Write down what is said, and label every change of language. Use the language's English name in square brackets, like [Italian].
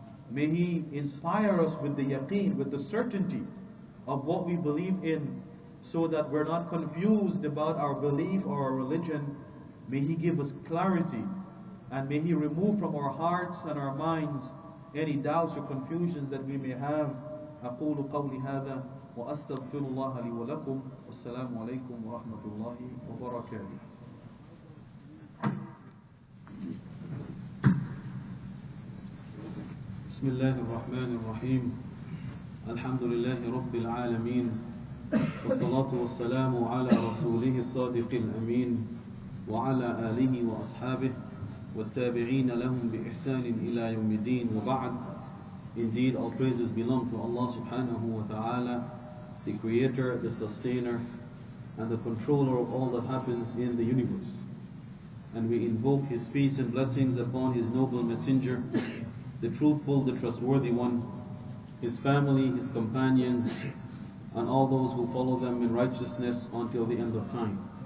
[English] May He inspire us with the yaqeen, with the certainty of what we believe in, so that we're not confused about our belief or our religion. May He give us clarity, and may He remove from our hearts and our minds any doubts or confusions that we may have. [Arabic] أَقُولُ قَوْلِ هَذَا وَأَسْتَغْفِرُ اللَّهَ لِي وَلَكُمْ وَالسَّلَامُ عَلَيْكُمْ وَرَحْمَةُ اللَّهِ وَبَرَكَاتِهِ بسم الله الرحمن الرحيم الحمد لله رب العالمين والصلاة والسلام على رسوله الصادق الأمين وعلى آله وأصحابه والتابعين لهم بإحسان إلى يوم الدين وبعد [English] Indeed, all praises belong to Allah subhanahu wa ta'ala, the creator, the sustainer, and the controller of all that happens in the universe. And we invoke his peace and blessings upon his noble messenger, the truthful, the trustworthy one, his family, his companions, and all those who follow them in righteousness until the end of time.